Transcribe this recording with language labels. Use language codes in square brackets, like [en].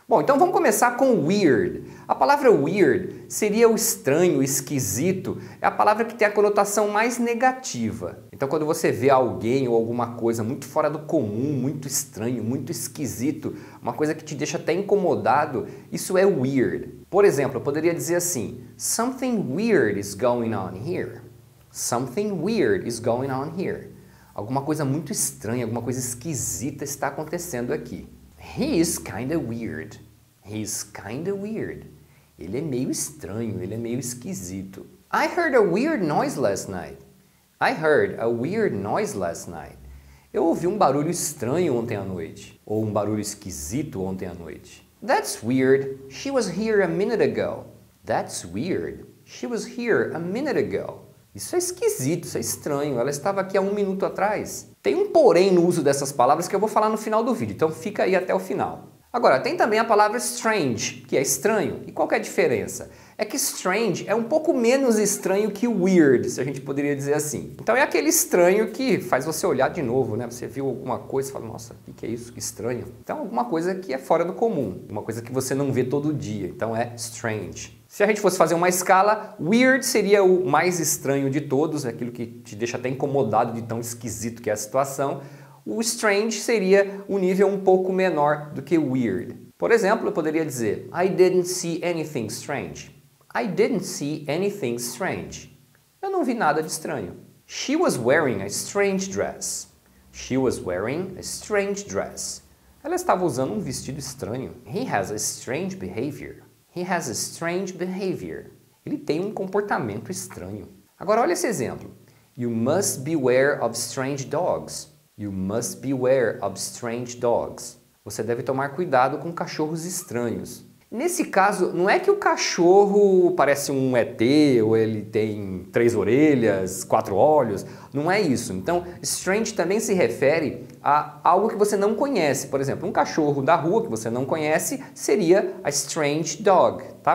[pt] Bom, então vamos começar com weird. A palavra weird seria o estranho, esquisito. É a palavra que tem a conotação mais negativa. Então quando você vê alguém ou alguma coisa muito fora do comum, muito estranho, muito esquisito, uma coisa que te deixa até incomodado, isso é weird. Por exemplo, eu poderia dizer assim: [en] something weird is going on here. Something weird is going on here. [pt] Alguma coisa muito estranha, alguma coisa esquisita está acontecendo aqui. [en] He is kind of weird. He is kind of weird. [pt] Ele é meio estranho, ele é meio esquisito. [en] I heard a weird noise last night. I heard a weird noise last night. [pt] Eu ouvi um barulho estranho ontem à noite. Ou um barulho esquisito ontem à noite. [en] That's weird. She was here a minute ago. That's weird. She was here a minute ago. [pt] Isso é esquisito, isso é estranho. Ela estava aqui há um minuto atrás. Tem um porém no uso dessas palavras que eu vou falar no final do vídeo. Então fica aí até o final. Agora, tem também a palavra strange, que é estranho. E qual que é a diferença? É que strange é um pouco menos estranho que weird, se a gente poderia dizer assim. Então é aquele estranho que faz você olhar de novo, né? Você viu alguma coisa e fala, nossa, o que, que é isso? Que estranho. Então alguma coisa que é fora do comum. Uma coisa que você não vê todo dia. Então é strange. Se a gente fosse fazer uma escala, weird seria o mais estranho de todos. Aquilo que te deixa até incomodado de tão esquisito que é a situação. O strange seria um nível um pouco menor do que weird. Por exemplo, eu poderia dizer, [en] I didn't see anything strange. I didn't see anything strange. [pt] Eu não vi nada de estranho. [en] She was wearing a strange dress. She was wearing a strange dress. [pt] Ela estava usando um vestido estranho. [en] He has a strange behavior. He has a strange behavior. [pt] Ele tem um comportamento estranho. Agora olha esse exemplo. [en] You must beware of strange dogs. You must beware of strange dogs. [pt] Você deve tomar cuidado com cachorros estranhos. Nesse caso, não é que o cachorro parece um ET, ou ele tem três orelhas, quatro olhos, não é isso. Então, strange também se refere a algo que você não conhece. Por exemplo, um cachorro da rua que você não conhece seria [en] a strange dog, [pt] tá?